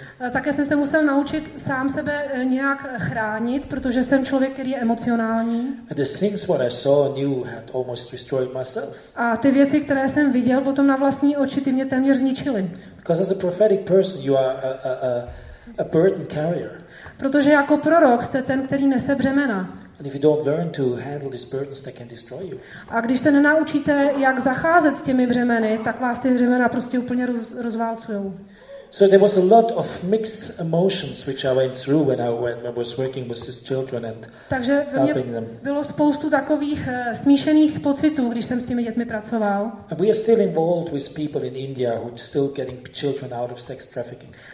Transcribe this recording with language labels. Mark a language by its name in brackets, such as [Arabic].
[Czech] Také jsem se musel naučit sám sebe nějak chránit, protože jsem člověk, který je emocionální. [English] And the things what I saw and knew had almost destroyed myself. [Czech] A ty věci, které jsem viděl potom na vlastní oči, ty mě téměř zničily. [English] Because as a prophetic person, you are a burden carrier. [Czech] Protože jako prorok jste ten, který nese břemena. [English] And if you don't learn to handle these burdens, they can destroy you. [Czech] A když se nenaučíte, jak zacházet s těmi břemeny, tak vás ty břemena prostě úplně rozválcujou. [English] So there was a lot of mixed emotions which I went through when I was working with these children and helping them. [Czech] Takže bylo spoustu takových smíšených pocitů, když jsem s těmi dětmi pracoval. [English] And we are still involved with people in India who are still getting children out of sex trafficking.